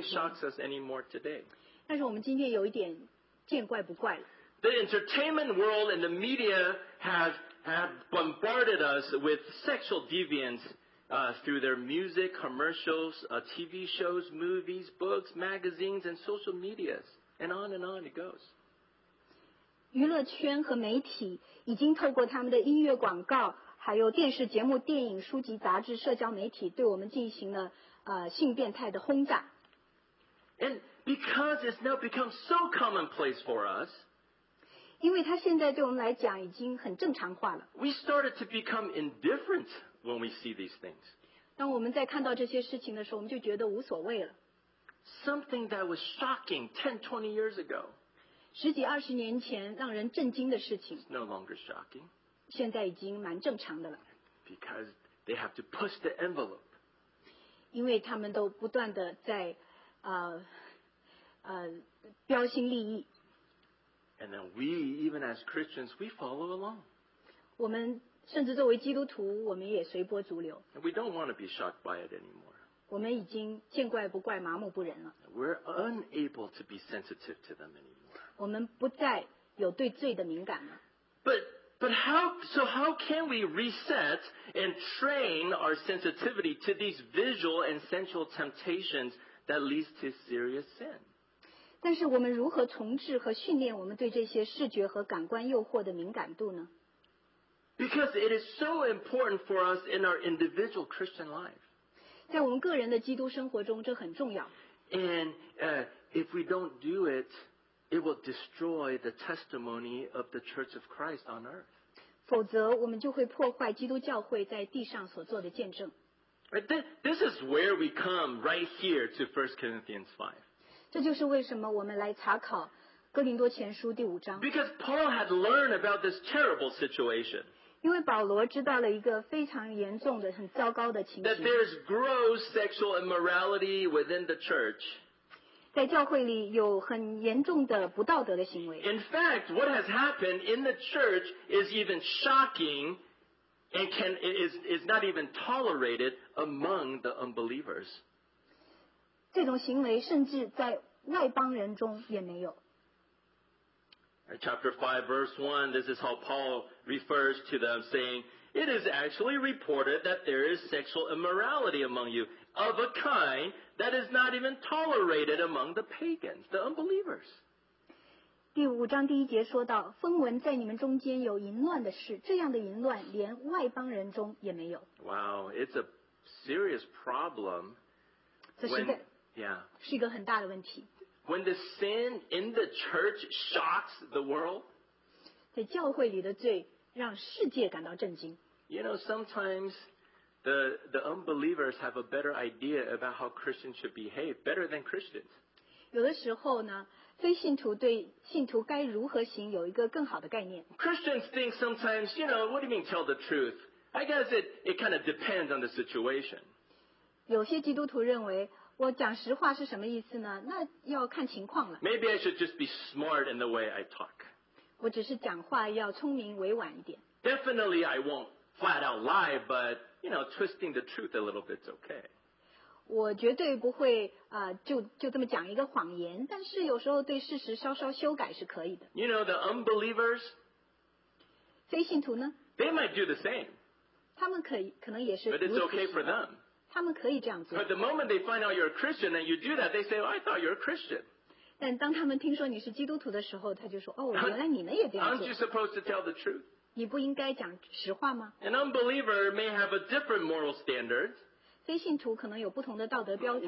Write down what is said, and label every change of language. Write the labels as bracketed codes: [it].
[en] But really, nothing shocks us anymore today. [zh] 但是我们今天有一点见怪不怪了。 [en] The entertainment world and the media have bombarded us with sexual deviance through their music, commercials, TV shows, movies, books, magazines, and social medias. And on it goes. [zh] 娱乐圈和媒体已经透过他们的音乐广告，还有电视节目、电影、书籍、杂志、社交媒体，对我们进行了性变态的轰炸。 [en] And because it's now become so commonplace for us, [zh] 因为它现在对我们来讲已经很正常化了。 [en] We started to become indifferent when we see these things. [zh] 当我们在看到这些事情的时候，我们就觉得无所谓了。 [en] Something that was shocking 10, 20 years ago. [zh] 十几二十年前让人震惊的事情。 [en] It's no longer shocking. [zh] 现在已经蛮正常的了。 [en] Because they have to push the envelope. [zh] 因为他们都不断地在标新立异。 [en] And then we, even as Christians, we follow along. [zh] 我们甚至作为基督徒，我们也随波逐流。 [en] And we don't want to be shocked by it anymore. [zh] 我们已经见怪不怪，麻木不仁了。 [en] We're unable to be sensitive to them anymore. [zh] 我们不再有对罪的敏感了。 [en] But how can we reset and train our sensitivity to these visual and sensual temptations that leads to serious sin? [zh] 但是我们如何重置和训练我们对这些视觉和感官诱惑的敏感度呢？ [en] Because it is so important for us in our individual Christian life. [zh] 在我们个人的基督生活中，这很重要。 [en] And if we don't do it, it will destroy the testimony of the Church of Christ on earth. [zh] 否则，我们就会破坏基督教会在地上所做的见证。 [en] This is where we come right here to 1 Corinthians 5. [zh] 这就是为什么我们来查考哥林多前书第五章。 [en] Because Paul had learned about this terrible situation. [zh] 因为保罗知道了一个非常严重的、很糟糕的情形。 [en] That there is gross sexual immorality within the church. [zh] 在教会里有很严重的不道德的行为。 [en] In fact, what has happened in the church is even shocking and is not even tolerated among the unbelievers. [zh] 这种行为甚至在外邦人中也没有。 [en] Chapter 5, verse 1, this is how Paul refers to them, saying, It is actually reported that there is sexual immorality among you, of a kind that is not even tolerated among the pagans, the unbelievers. [zh] 第五章第一节说到，风闻在你们中间有淫乱的事，这样的淫乱连外邦人中也没有。 [en] Wow, it's a serious problem. When the sin in the church shocks the world, [zh] 在教会里的罪让世界感到震惊。 [en] You know, sometimes the unbelievers have a better idea about how Christians should behave, better than Christians. [zh] 有的时候呢，非信徒对信徒该如何行有一个更好的概念。 [en] Christians think sometimes, you know, what do you mean tell the truth? I guess it kind of depends on the situation. [zh] 有些基督徒认为我讲实话是什么意思呢？那要看情况了。 [en] Maybe I should just be smart in the way I talk. [zh] 我只是讲话要聪明委婉一点。 [en] Definitely I won't flat out lie, but, you know, twisting the truth a little bit is okay. [zh] 我绝对不会就这么讲一个谎言，但是有时候对事实稍稍修改是可以的。 [en] You know, the unbelievers, [zh] 非信徒呢？ [en] They might do the same. [zh] 他们可能也是如此。 [en] But it's okay for them. [zh] 他们可以这样做。 [en] But the moment they find out you're a Christian and you do that, they say, oh, I thought you're a Christian. [zh] 但当他们听说你是基督徒的时候，他就说，哦，原来你们也这样做。 [en] Aren't you supposed to tell the truth? [zh] 你不应该讲实话吗？ [en] An unbeliever may have a different moral standard. [zh] 非信徒可能有不同的道德标准